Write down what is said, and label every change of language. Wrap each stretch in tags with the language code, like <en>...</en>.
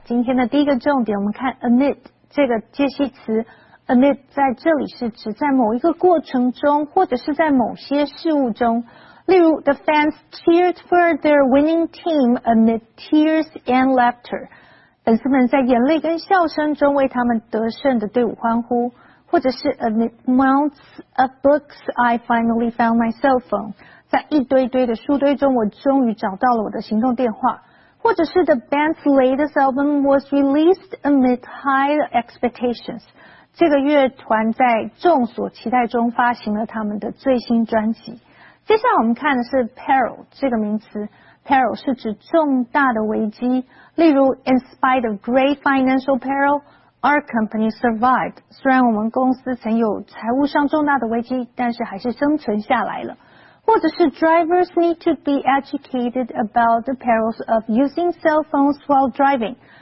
<zh>今天的第一个重点我们看 amid 这个介系词。 Amid 在这里是指在某一个过程中或者是在某些事物中。例如</zh> <en>,the fans cheered for their winning team amid tears and laughter.</en> <zh>粉丝们在眼泪跟笑声中为他们得胜的队伍欢呼。或者是</zh> <en>amid mounts of books, I finally found my cell phone.</en> <zh>在一堆堆的书堆中我终于找到了我的行动电话。或者是</zh> <en>the band's latest album was released amid high expectations.</en> <zh>这个乐团在众所期待中发行了他们的最新专辑。接下来我们看的是 peril 这个名词。peril 是指重大的危机。例如</zh> <en>,in spite of great financial peril, our company survived.</en> <zh>虽然我们公司曾有财务上重大的危机但是还是生存下来了。或者是</zh> <en>drivers need to be educated about the perils of using cell phones while driving.</en>